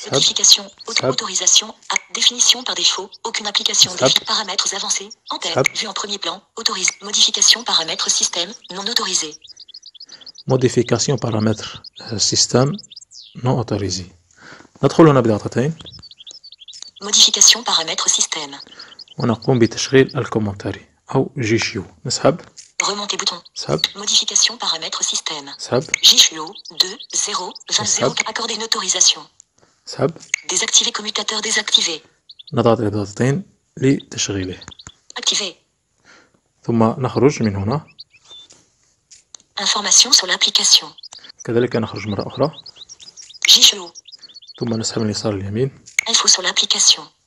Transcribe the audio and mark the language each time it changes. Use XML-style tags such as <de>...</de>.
<fr>Notification. Autorisation. Définition par défaut. Aucune application. Paramètres avancés. En tête. Vu en premier plan. Autorise. Modification paramètres système. Non autorisée. Modification paramètres système. Non autorisée. Notre rôle en habilitation. Modification paramètres système.</fr> <ar>ونقوم بتشغيل الكومنتاري أو جيشيو نسحب</ar> <fr>remonter bouton</fr> <ar>نسحب</ar> <fr>modification paramètres système</fr> <ar>نسحب</ar> <fr>جيشيو 2020 accorder une autorisation</fr> <ar>نسحب</ar> <fr>désactiver commutateur désactivé</fr> <ar>نضغط على الضغطتين لتشغيله</ar> <fr>activer</fr> <ar>ثم نخرج من هنا</ar> <fr>information sur l'application</fr> <ar>كذلك نخرج مرة أخرى جيشيو ثم نسحب من اليسار اليمين</ar> <fr>info sur l'application</fr>